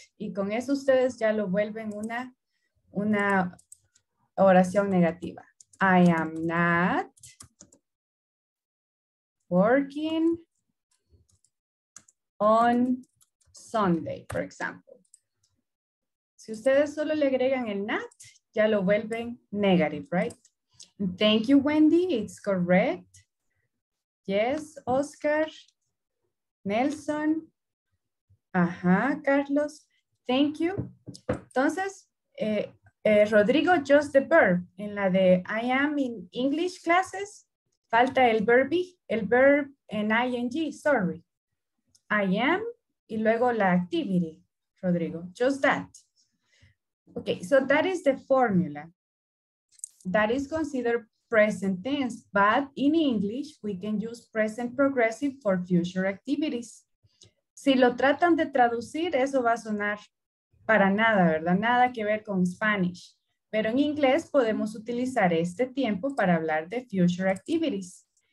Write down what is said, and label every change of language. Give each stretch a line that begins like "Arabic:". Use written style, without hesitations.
Spanish: Y con eso ustedes ya lo vuelven una oración negativa.
English: I am not working on Sunday, for example.
Spanish: Si ustedes solo le agregan el not, ya lo vuelven negative,
English: right? Thank you,
Spanish: Wendy.
English: It's correct. Yes, Oscar, Nelson. Carlos, thank you.
Spanish: Entonces,
English: Rodrigo, just the verb.
Spanish: En la de
English: I am in English classes,
Spanish: falta el verb be, el verb en ing,
English: sorry. I am,
Spanish: y luego la
English: activity, Rodrigo, just that. Okay, so that is the formula. That is considered present tense, but in English, we can use present progressive for future activities.
Spanish: Si lo tratan de traducir, eso va a sonar para nada, ¿verdad? Nada que ver con Spanish. Pero en inglés podemos utilizar este tiempo para hablar de
English: future activities.